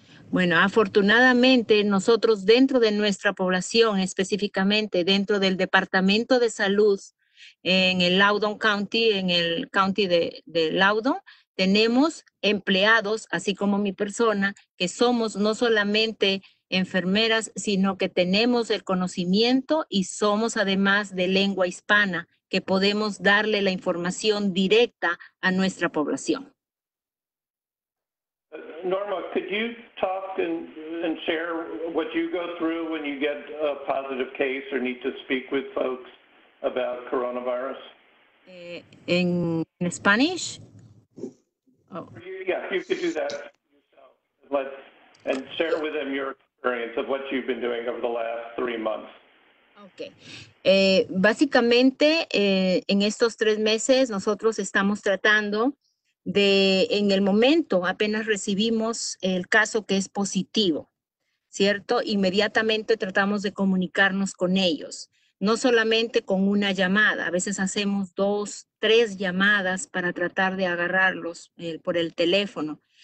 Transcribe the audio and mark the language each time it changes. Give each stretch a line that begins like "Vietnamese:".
Spanish: Bueno, afortunadamente, nosotros dentro de nuestra población, específicamente dentro del Departamento de Salud en el Loudoun County, en el county de Loudoun, tenemos empleados, así como mi persona, que somos no solamente enfermeras, sino que tenemos el conocimiento y somos además de lengua hispana, que podemos darle la información directa a nuestra población.
English: Norma, could you talk and share what you go through when you get a positive case or need to speak with folks about coronavirus? In Spanish? Oh. Yeah, you could do that yourself. And share with them your experience of what you've been doing over the last 3 months. Okay.
Spanish: Básicamente, en estos 3 meses, nosotros estamos tratando de, en el momento, apenas recibimos el caso que es positivo, ¿cierto? Inmediatamente tratamos de comunicarnos con ellos, no solamente con una llamada, a veces hacemos 2, 3 llamadas para tratar de agarrarlos por el teléfono.